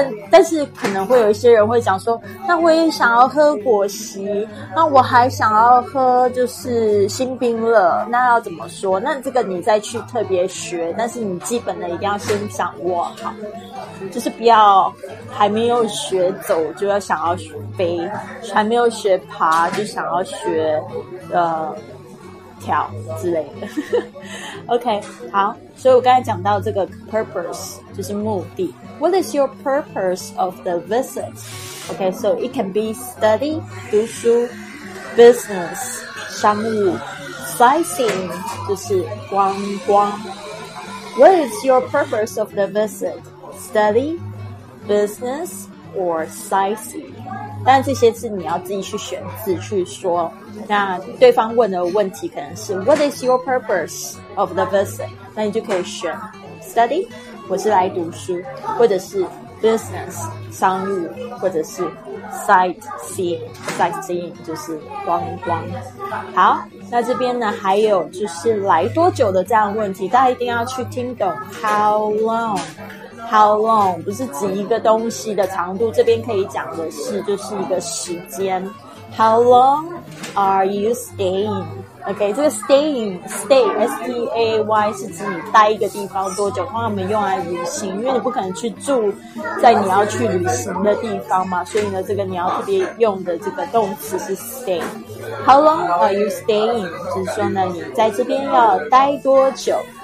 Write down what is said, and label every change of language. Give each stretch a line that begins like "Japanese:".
Chinese: 但是可能会有一些人会讲说那我也想要喝果昔，那我还想要喝就是新冰乐，那要怎么说，那这个你再去特别学，但是你基本的一定要先掌握好，就是不要还没有学走就要想要学飞，还没有学爬就想要学跳之类的。 OK， 好，所以我刚才讲到这个 purpose 就是目的。
English: What is your purpose of the visit? OK, so it can be study 读书 business 商务 sightseeing
Chinese: 就是观光。
English: What is your purpose of the visit? Study business or sightseeing?
Chinese: 但这些是你要自己去选字去说。那对方问的问题可能是
English: What is your purpose of the visit?
Chinese: 那你就可以选
English: Study
Chinese: 我是来读书，或者是
English: Business
Chinese: 商务，或者是
English: Sightseeing
Chinese: 就是观光。好，那这边呢还有就是来多久的这样的问题，大家一定要去听懂
English: How longHow long
Chinese: 不是指一个东西的长度，这边可以讲的是就是一个时间。
English: How long are you staying?
Chinese: OK, 这个 staying S-T-A-Y 是指你待一个地方多久，通常我们用来旅行，因为你不可能去住在你要去旅行的地方嘛，所以呢这个你要特别用的这个动词是 stay。
English: How long are you staying?
Chinese: 就是说呢你在这边要待多久。